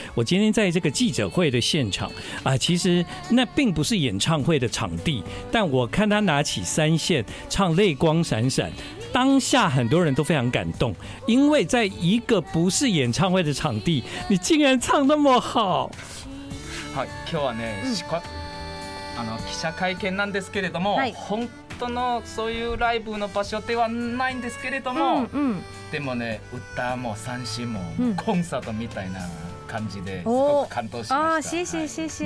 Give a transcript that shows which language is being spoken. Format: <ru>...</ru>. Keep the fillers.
<zh>我今天在这个记者会的现场啊、呃，其实那并不是演唱会的场地，但我看他拿起三线唱閃閃《泪光闪闪》。当下很多人都非常感动，因为在一个不是演唱会的场地，你竟然唱那么好。好，今</zh> <ja>日はね、うん、あの記者会見なんですけれども、はい、本当のそういうライブの場所ではないんですけれども、うんうん、でもね、歌も三振もコンサートみたいな。</ja> <zh>哦，啊 ，谢谢谢谢，</zh>